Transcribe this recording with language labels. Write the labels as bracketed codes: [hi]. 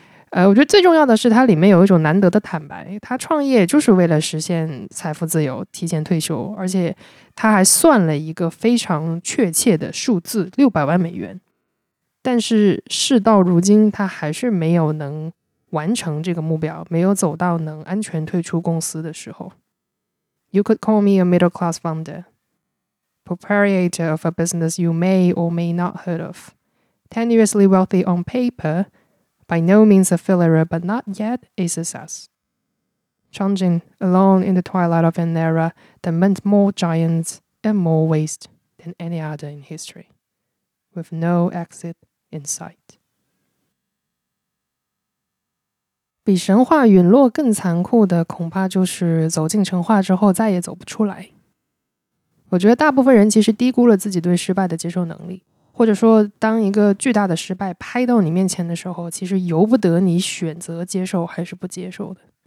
[zh] 我觉得最重要的是它里面有一种难得的坦白，他创业就是为了实现财富自由，提前退休，而且他还算了一个非常确切的数字，600万美元。但是事到如今，他还是没有能完成这个目标，没有走到能安全退出公司的时候。 [en] You could call me a middle class founder, proprietor of a business you may or may not heard of, tenuously wealthy on paper,By no means a failure, but not yet a success. Changing alone in the twilight of an era that meant more giants and more waste than any other in history, with no exit in sight. [zh] 比神话陨落更残酷的，恐怕就是走进神话之后再也走不出来。我觉得大部分人其实低估了自己对失败的接受能力。或者说，当一个巨大的失败拍到你面前的时候，其实由不得你选择接受还是不接受的。